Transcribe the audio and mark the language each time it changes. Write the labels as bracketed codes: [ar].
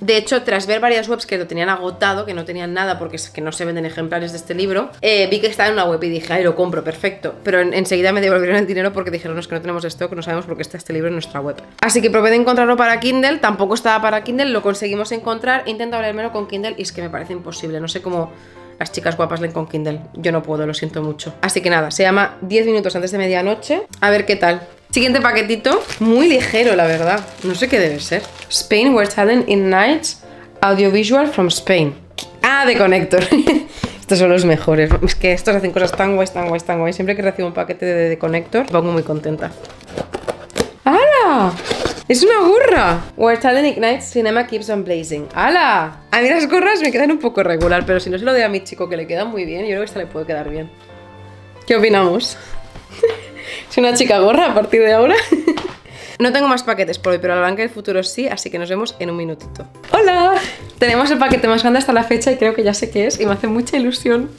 [es] De hecho, tras ver varias webs que lo tenían agotado, que no tenían nada porque es que no se venden ejemplares de este libro, vi que estaba en una web y dije, ay, lo compro, perfecto, pero enseguida me devolvieron el dinero porque dijeron, no, es que no tenemos stock, no sabemos por qué está este libro en nuestra web. Así que probé de encontrarlo para Kindle, tampoco estaba para Kindle, lo conseguimos encontrar, he intentado leérmelo con Kindle y es que me parece imposible, no sé cómo las chicas guapas leen con Kindle. Yo no puedo, lo siento mucho. Así que nada, se llama 10 minutos antes de medianoche. A ver qué tal. Siguiente paquetito. Muy ligero, la verdad. No sé qué debe ser. [en] Spain, where talent in nights, audiovisual from Spain. [es] Ah, de Connector. Estos son los mejores. Es que estos hacen cosas tan guays, tan guays, tan guays. Siempre que recibo un paquete de The Connector, me pongo muy contenta. ¡Hala! ¡Es una gorra! [en] Where talent ignites, cinema keeps on blazing. [es] ¡Hala! A mí las gorras me quedan un poco regular, pero si no se lo doy a mi chico que le queda muy bien, yo creo que esta le puede quedar bien. ¿Qué opinamos? ¿Es una chica gorra a partir de ahora? No tengo más paquetes por hoy, pero la banca del futuro sí, así que nos vemos en un minutito. ¡Hola! Tenemos el paquete más grande hasta la fecha y creo que ya sé qué es y me hace mucha ilusión.